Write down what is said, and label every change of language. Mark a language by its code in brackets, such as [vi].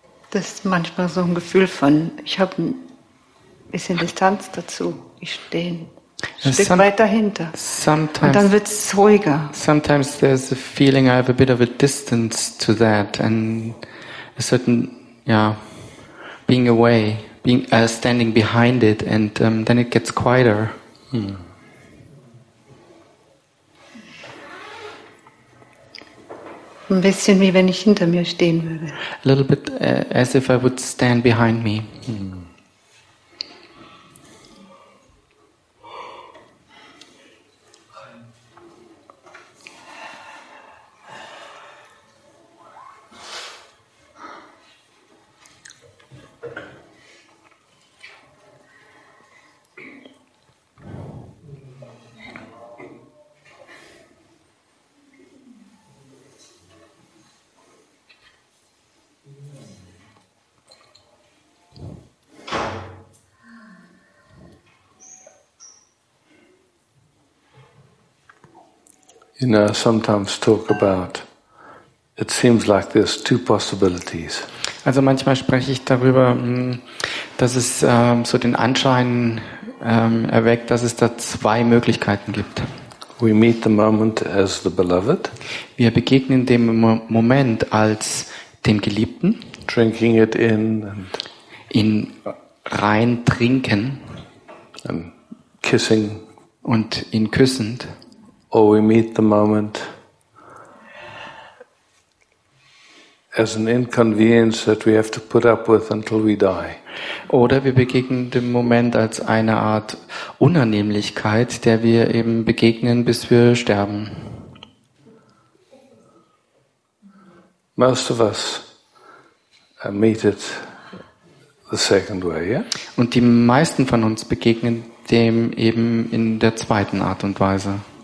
[de] Das ist manchmal so ein Gefühl von, ich habe ein bisschen Distanz dazu. Ich stehe ein Stück weit dahinter. [en] Sometimes, [de] und dann wird es ruhiger. [en] Sometimes there's a feeling I have a bit of a distance to that and a certain, yeah, being away, being standing behind it and then it gets quieter. Hmm. [de] Ein bisschen wie wenn ich hinter mir stehen würde. [en] A little bit as if I would stand behind me. You know, sometimes talk about, it seems like there's two possibilities. [de] Also manchmal spreche ich darüber, dass es so den Anschein erweckt, dass es da zwei Möglichkeiten gibt. [en] We meet the moment as the beloved. [de] Wir begegnen dem Moment als dem Geliebten. [en] Drinking it in and [de] ihn rein trinken. [en] And kissing. [de] Und ihn küssend. [en] Or we meet the moment as an inconvenience that we have to put up with until we die. [de] Oder wir begegnen dem Moment als eine Art Unannehmlichkeit, der wir eben begegnen, bis wir sterben. [en] Most of us meet it the second way, yeah? [de] Und die meisten von uns begegnen dem eben in der zweiten Art und Weise.